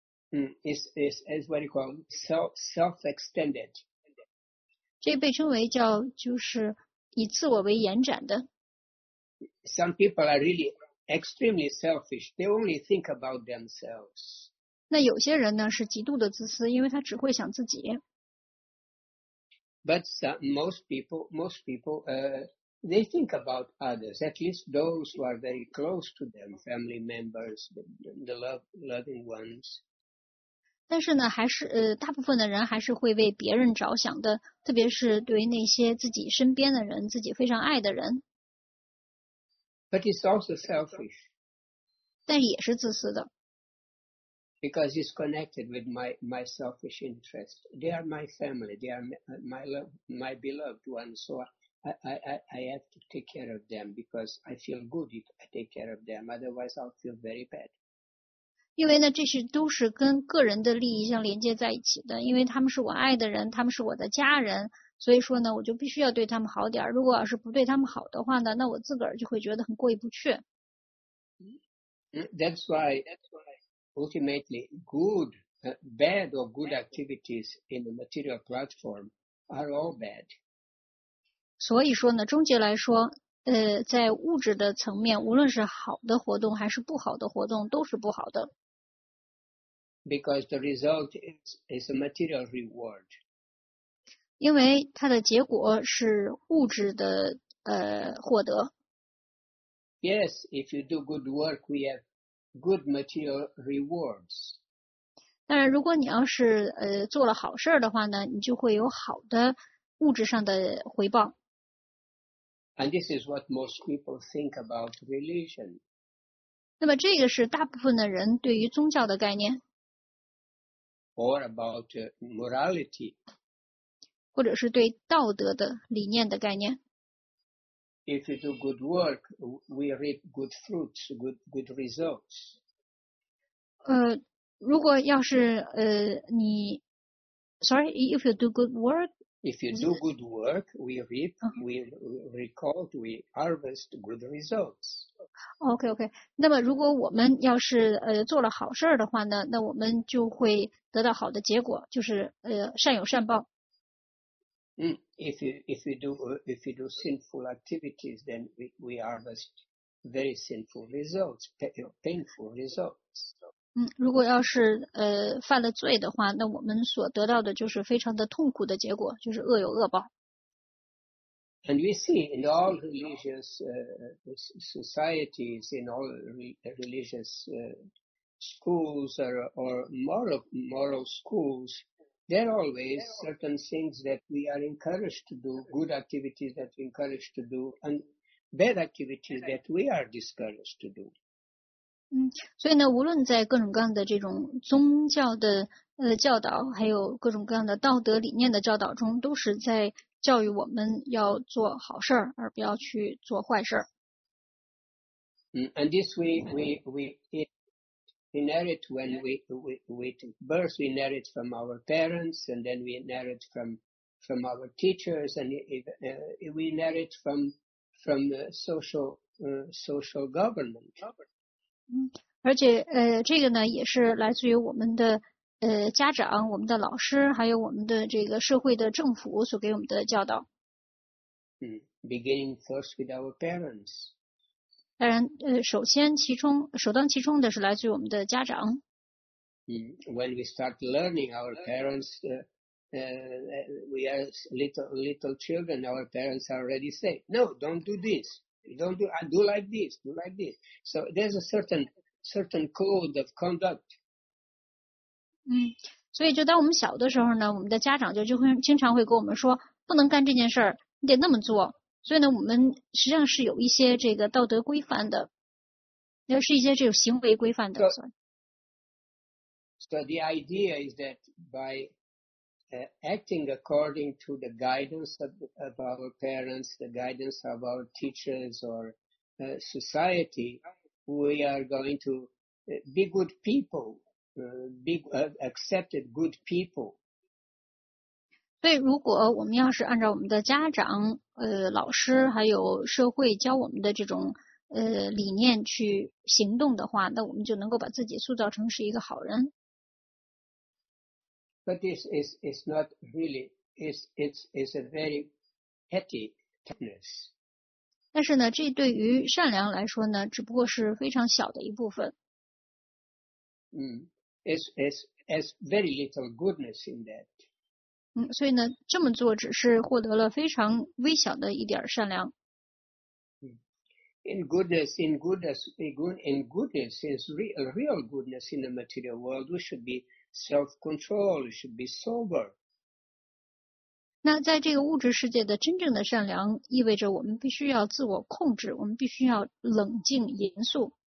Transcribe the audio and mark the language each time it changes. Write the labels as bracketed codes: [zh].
[en] It's what you call self-extended. [zh] 这被称为叫就是以自我为延展的。 [en] Some people are really extremely selfish. They only think about themselves. [zh] 那有些人呢是极度的自私，因为他只会想自己。 [en] But most people, they think about others, at least those who are very close to them, family members, the loving ones. [zh] 但是呢还是大部分的人还是会为别人着想的，特别是对那些自己身边的人，自己非常爱的人。 [en] But it's also selfish. [zh] 但也是自私的。 [en] Because it's connected with my selfish interest. They are my family, they are my beloved ones, so I have to take care of them because I feel good if I take care of them, otherwise I'll feel very bad. [zh] 因为呢这些都是跟个人的利益相连接在一起的，因为他们是我爱的人，他们是我的家人，所以说呢我就必须要对他们好点，如果要是不对他们好的话呢，那我自个儿就会觉得很过意不去。 [en] That's why ultimately bad or good activities in the material platform are all bad. [zh] 所以说呢终结来说在物质的层面，无论是好的活动还是不好的活动都是不好的。 [en] Because the result is a material reward. [zh] 因为它的结果是物质的获得。 [en] Yes, if you do good work, we have good material rewards. [zh] 但是如果你要是做了好事的话呢，你就会有好的物质上的回报。 [en] And this is what most people think about religion. [zh] 那么这个是大部分的人对于宗教的概念。 [en] Or about morality. [zh] 或者是对道德的理念的概念。 [en] If you do good work, we reap good fruits, good results. [zh] 如果要是你 [en] ，sorry, if you do good work. If you do good work, we reap, we recall, we harvest good results. Okay, okay. [zh] 那么如果我们要是做了好事的话呢，那我们就会得到好的结果，就是善有善报。 [en] If you do sinful activities, then we harvest very sinful results, painful results. [zh] 如果要是犯了罪的话，那我们所得到的就是非常的痛苦的结果，就是恶有恶报。 [en] And we see in all religious societies, in all religious schools or moral schools. There are always certain things that we are encouraged to do, good activities that we encourage to do, and bad activities that we are discouraged to do. [zh] 所以呢，无论在各种各样的这种宗教的教导，还有各种各样的道德理念的教导中，都是在教育我们要做好事儿，而不要去做坏事儿。 [en] And this we inherit when we take birth, we inherit from our parents, and then we inherit from our teachers, and we inherit from the social government. [zh] 而且这个呢也是来自于我们的家长，我们的老师，还有我们的这个社会的政府所给我们的教导。 [en] Beginning first with our parents. [zh] 当然，首当其冲的是来自于我们的家长。 [en] When we start learning, our parents, we are little children. Our parents already say, "No, don't do this. Don't do. I do like this. Do like this." So there's a certain code of conduct. [zh] 所以就当我们小的时候呢，我们的家长就会经常会跟我们说，不能干这件事儿，你得那么做。所以呢，我们实际上是有一些这个道德规范的，也是一些这种行为规范的。 [en] So the idea is that by acting according to the guidance of our parents, the guidance of our teachers or society, we are going to be good people, accepted good people. [zh] 所以如果我们要是按照我们的家长老师还有社会教我们的这种理念去行动的话，那我们就能够把自己塑造成是一个好人。 [en] But this is not really, it's a very petty kindness. [zh] 但是呢，这对于善良来说呢，只不过是非常小的一部分。 [en] It's very little goodness in that. [zh] 所以呢，这么做只是获得了非常微小的一点善良。 [en] In goodness, in real goodness in the material world, we should be self-control, we should be sober. [zh] 那在这个物质世界的真正的善良，意味着我们必须要自我控制，我们必须要冷静严肃。